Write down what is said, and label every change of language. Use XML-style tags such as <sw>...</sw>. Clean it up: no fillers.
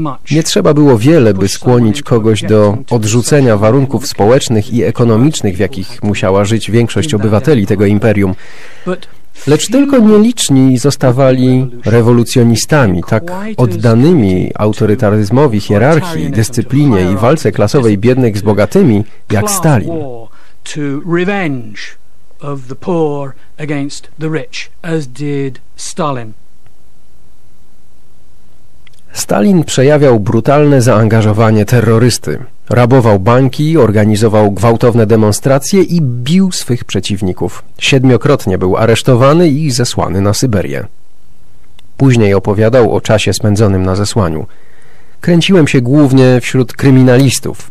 <pl>Nie trzeba było wiele, by skłonić kogoś do odrzucenia warunków społecznych i ekonomicznych, w jakich musiała żyć większość obywateli tego imperium. Lecz tylko nieliczni zostawali rewolucjonistami, tak oddanymi autorytaryzmowi, hierarchii, dyscyplinie i walce klasowej biednych z bogatymi, jak Stalin.</pl> <en>To revenge of the poor against the rich, as did Stalin.</en> <pl>Stalin przejawiał brutalne zaangażowanie terrorysty. Rabował banki, organizował gwałtowne demonstracje i bił swych przeciwników. Siedmiokrotnie był aresztowany i zesłany na Syberię. Później opowiadał o czasie spędzonym na zesłaniu. Kręciłem się głównie wśród kryminalistów.</pl>